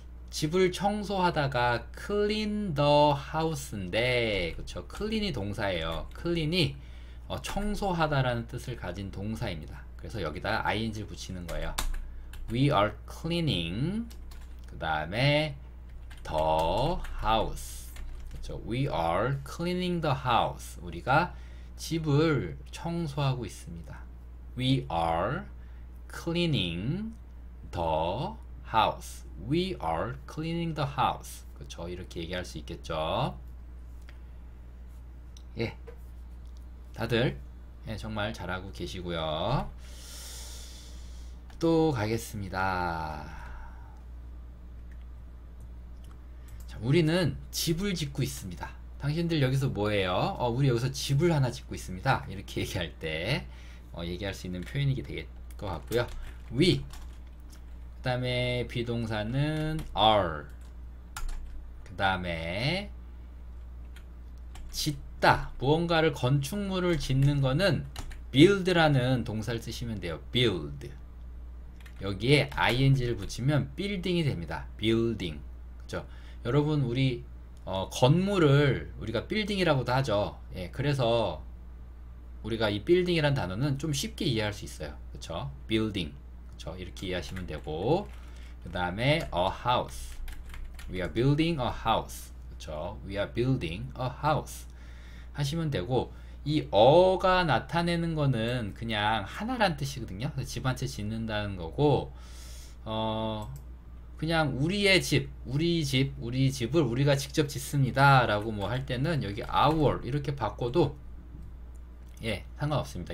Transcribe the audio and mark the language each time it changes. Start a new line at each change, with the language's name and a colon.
Korean: 집을 청소하다가 clean the house 인데, 그쵸? clean이 동사예요. clean이 청소하다라는 뜻을 가진 동사입니다. 그래서 여기다 ing 붙이는 거예요. We are cleaning. 그 다음에 the house.
English: 저 We are cleaning the house.
Korean: 우리가 집을 청소하고 있습니다.
English: We are cleaning the house. We are cleaning the house.
Korean: 그렇죠? 이렇게 얘기할 수 있겠죠? 예. 다들 예, 정말 잘하고 계시고요. 또 가겠습니다. 우리는 집을 짓고 있습니다. 당신들 여기서 뭐예요? 우리 여기서 집을 하나 짓고 있습니다. 이렇게 얘기할 때 얘기할 수 있는 표현이 되겠 것 같고요. We 그다음에 비동사는 are 그다음에 짓다 무언가를 건축물을 짓는 거는 build라는 동사를 쓰시면 돼요. build 여기에 ing를 붙이면 building이 됩니다. building 그렇죠? 여러분, 우리 건물을 우리가 빌딩이라고도 하죠. 예, 그래서 우리가 이 빌딩이란 단어는 좀 쉽게 이해할 수 있어요. 그쵸? 빌딩. 그쵸? 이렇게 이해하시면 되고. 그 다음에 a house.
English: We are building a house. 그쵸? We are building a house. 하시면 되고.
Korean: 이 어가 나타내는 거는 그냥 하나란 뜻이거든요. 집한채 짓는다는 거고, 그냥 우리의 집, 우리 집, 우리 집을 우리가 직접 짓습니다라고 뭐할 때는 여기 our 이렇게 바꿔도 예, 상관없습니다.